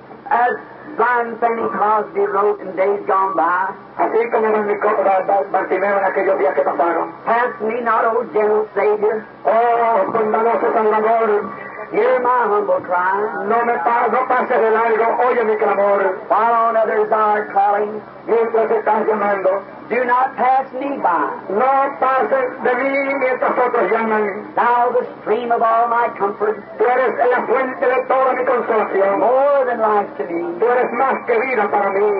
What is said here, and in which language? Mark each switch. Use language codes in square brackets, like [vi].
[en] As blind Fanny Crosby wrote in days gone by, [es] así como en mi copa de Bartimeo en aquellos días que pasaron, [en] pass me not, O gentle Savior, [es] oh, bondadoso Salvador, [en] hear my humble cry, [es] no pase de largo, oye mi clamor, [en] while on others are calling, [es] mientras están llamando, [en] do not pass me by, [es] no pase de mí mientras otros llaman, [en] thou the stream of all my comfort, [es] tú eres la fuente de toda mi consolación, [en] more than life to me, [es] tú eres más que vida para mí,